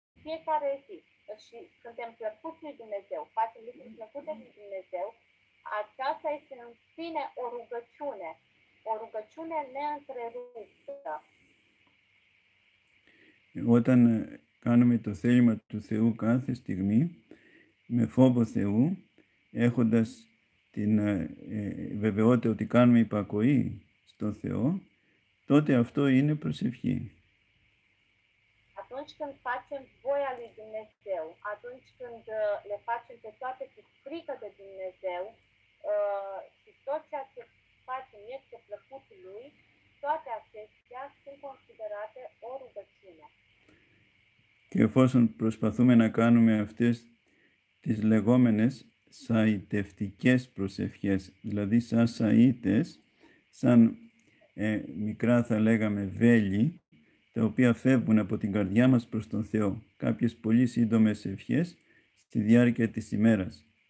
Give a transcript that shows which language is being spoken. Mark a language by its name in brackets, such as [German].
[Romanian] Fiecare zi și suntem plăcuți lui Dumnezeu, facem lucruri plăcute lui Dumnezeu, aceasta este în sine o rugăciune, o rugăciune neîntreruptă. [Greek] Όταν κάνουμε το θέλημα του Θεού κάθε στιγμή, με φόβο Θεού, έχοντας την βεβαιότητα ότι κάνουμε υπακοή στο Θεό, τότε αυτό είναι προσευχή. [Romanian] Atunci când facem voia lui Dumnezeu, atunci când le facem pe toate cu frică de Dumnezeu și tot ceea ce facem este plăcut lui, toate acestea sunt considerate o rugăciune. [Greek] Και εφόσον προσπαθούμε να κάνουμε αυτές τις λεγόμενες σαϊτευτικές προσευχές, δηλαδή σαν σαΐτες, σαν μικρά θα λέγαμε βέλη, τα οποία φεύγουν από την καρδιά μας προς τον Θεό, κάποιες πολύ σύντομες ευχές στη διάρκεια της ημέρας.